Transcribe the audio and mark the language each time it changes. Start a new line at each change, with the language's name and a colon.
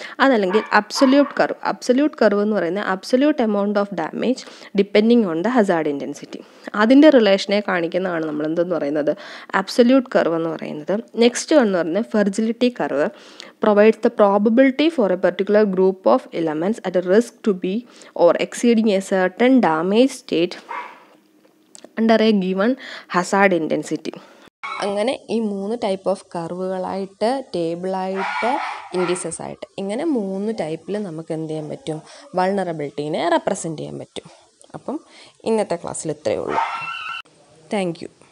English: അതല്ലെങ്കിൽ absolute curve. Absolute curve
Malayalam: എന്ന് പറയുന്നത്
English: Absolute amount of damage depending on the hazard intensity.
Malayalam: അതിൻ്റെ റിലേഷനെ കാണിക്കുന്നതാണ് നമ്മൾ എന്തെന്ന് പറയുന്നത്, അബ്സല്യൂട്ട് കർവ് എന്ന് പറയുന്നത്.
English: next
Malayalam: എന്ന് പറയുന്നത്
English: Fragility curve provides the probability for a particular group of elements at a risk to be or exceeding a certain damage state under a given hazard intensity.
Malayalam: അങ്ങനെ ഈ മൂന്ന് ടൈപ്പ് ഓഫ് കർവുകളായിട്ട് ടേബിളായിട്ട് ഇൻഡിസസ് ആയിട്ട് ഇങ്ങനെ മൂന്ന് ടൈപ്പിൽ നമുക്ക് എന്ത് ചെയ്യാൻ പറ്റും, വൾണറബിലിറ്റീനെ റെപ്രസെൻറ്റ് ചെയ്യാൻ പറ്റും. അപ്പം ഇന്നത്തെ ക്ലാസ്സിൽ ഇത്രയേ ഉള്ളൂ. Thank you.